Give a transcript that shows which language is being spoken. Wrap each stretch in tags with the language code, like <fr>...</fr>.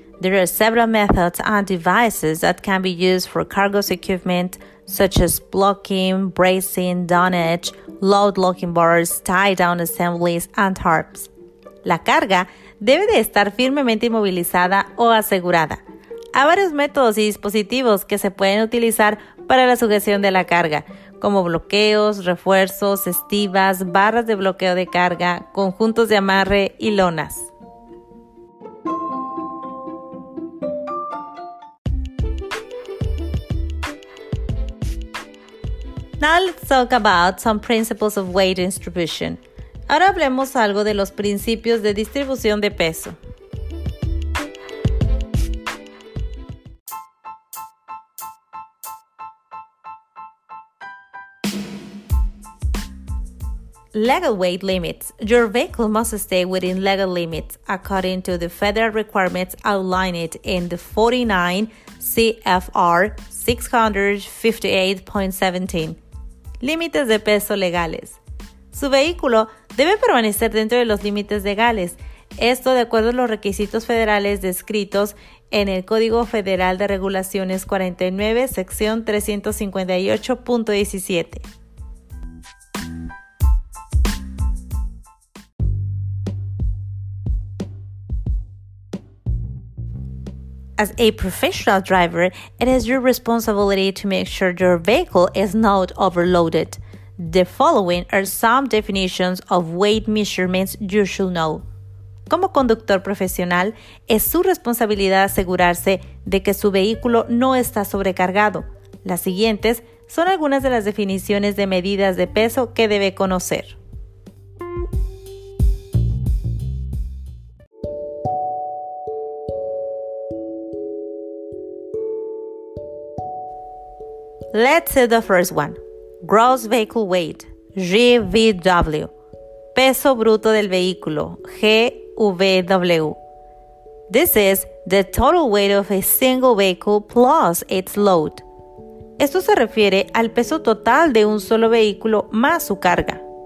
<en>There are several methods and devices that can be used for cargo securement, such as blocking, bracing, dunnage, load locking bars, tie-down assemblies, and tarps.</en> <es>La carga debe de estar firmemente inmovilizada o asegurada. Hay varios métodos y dispositivos que se pueden utilizar para la sujeción de la carga, como bloqueos, refuerzos, estibas, barras de bloqueo de carga, conjuntos de amarre y lonas.</es> <en>Now let's talk about some principles of weight distribution.</en> <es>Ahora hablemos algo de los principios de distribución de peso.</es> <en>Legal weight limits. Your vehicle must stay within legal limits according to the federal requirements outlined in the 49 CFR 658.17.</en> <es>Límites de peso legales. Su vehículo debe permanecer dentro de los límites legales. Esto de acuerdo a los requisitos federales descritos en el Código Federal de Regulaciones 49, sección 358.17.</es> <en>As a professional driver, it is your responsibility to make sure your vehicle is not overloaded. The following are some definitions of weight measurements you should know.</en> <es>Como conductor profesional, es su responsabilidad asegurarse de que su vehículo no está sobrecargado. Las siguientes son algunas de las definiciones de medidas de peso que debe conocer.</es> <en>Let's see the first one. Gross Vehicle Weight, GVW.</en> <es>Peso bruto del vehículo, GVW.</es> <en>This is the total weight of a single vehicle plus its load.</en> <es>Esto se refiere al peso total de un solo vehículo más su carga.</es>